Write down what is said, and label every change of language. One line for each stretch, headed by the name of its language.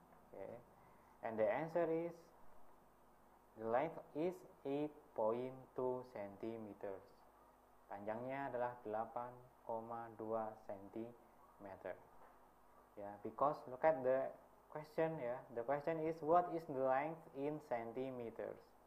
English: Okay, and the answer is the length is 8.2 centimeters.
Indonesian: Panjangnya adalah 8,2 centimeter.
English: Yeah, because look at the question. Yeah, the question is what is the length in centimeters?